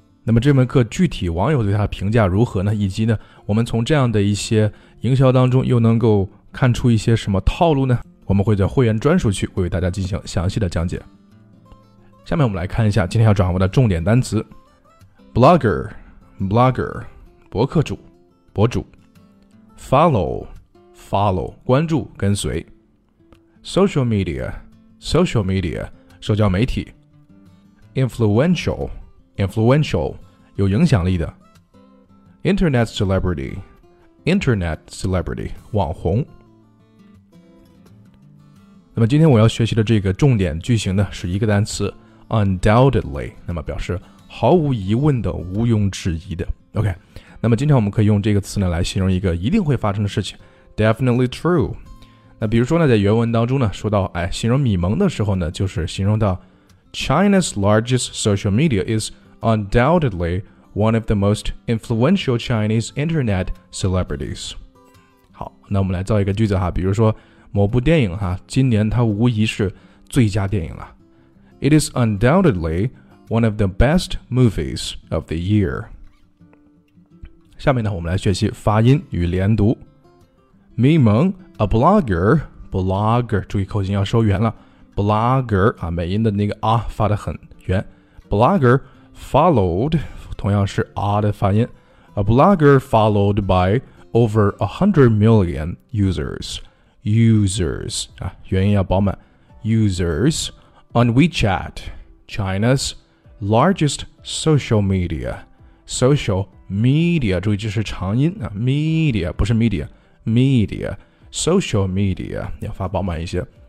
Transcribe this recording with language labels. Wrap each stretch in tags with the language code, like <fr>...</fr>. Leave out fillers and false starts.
<zh>那么这门课具体网友对他评价如何呢，以及呢我们从这样的一些营销当中又能够看出一些什么套路呢，我们会在会员专属区为大家进行详细的讲解。下面我们来看一下今天要掌握的重点单词。Blogger, 博客主，博主。 Follow, 关注，跟随。 Social media, 社交媒体。 Influential, 有影响力的。 Internet celebrity, 网红。那么今天我要学习的这个重点句型呢，是一个单词 undoubtedly, 那么表示毫无疑问的，毋庸置疑的。 OK, 那么今天我们可以用这个词呢来形容一个一定会发生的事情， Definitely true。那比如说呢在原文当中呢说到哎，形容米蒙的时候呢就是形容到 China's largest social media is undoubtedly one of the most influential Chinese internet celebrities。好，那我们来造一个句子哈，比如说某部电影哈，今年它无疑是最佳电影了。</zh> <en>It is undoubtedlyone of the best movies of the year.</en> <zh>下面呢我们来学习发音与连读。 Mi Meng, a blogger, 注意口型要收圆了。 Blogger, 啊美音的那个啊发得很圆。Blogger followed, 同样是啊的发音。</zh> <en>A blogger followed by over 100 million users.</en> <zh>Users, 啊元音要饱满。 Users on WeChat, China's,largest social media, 注意这是长音、啊、media 不是 media, social media 要发饱满一些。</zh>